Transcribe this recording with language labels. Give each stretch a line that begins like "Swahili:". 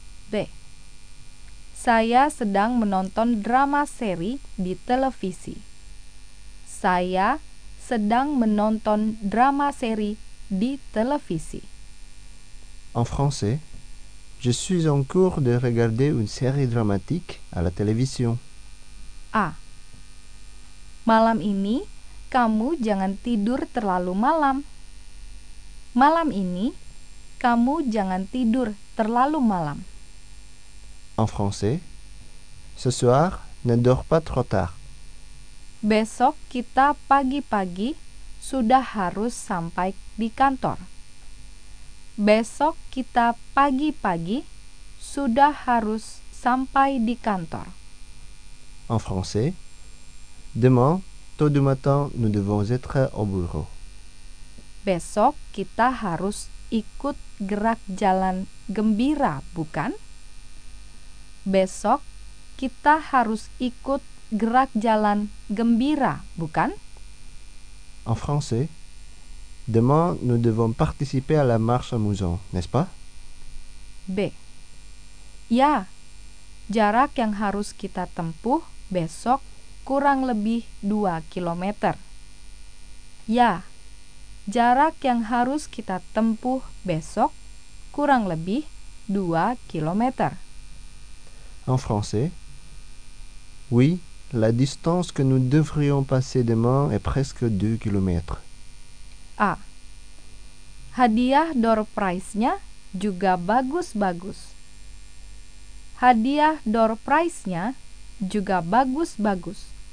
Indonesian: B. Saya sedang menonton drama seri di televisi. Saya sedang menonton drama seri di televisi.
French: En français. Je suis en cours de regarder une série dramatique à la télévision. A.
Indonesian: Malam ini, kamu jangan tidur terlalu malam. Malam ini, kamu jangan tidur terlalu malam.
French: En français. Ce soir, ne dors pas trop tard.
Indonesian: Besok kita pagi-pagi sudah harus sampai di kantor. Besok kita pagi-pagi sudah harus sampai di kantor.
French: En français. Demain, tôt du matin, nous devons être au bureau.
Indonesian: Besok kita harus ikut gerak jalan gembira, bukan? Besok kita harus ikut gerak jalan gembira, bukan?
French: En français. Demain, nous devons participer à la marche amusante, n'est-ce pas? B.
Indonesian: Ya, jarak yang harus kita tempuh besok kurang lebih 2 km. Ya, jarak yang harus kita tempuh besok kurang lebih 2 km.
French: En français. Oui, la distance que nous devrions passer demain est presque 2 km.
Indonesian: A. Hadiah door prize-nya juga bagus-bagus. Hadiah door prize-nya juga bagus-bagus.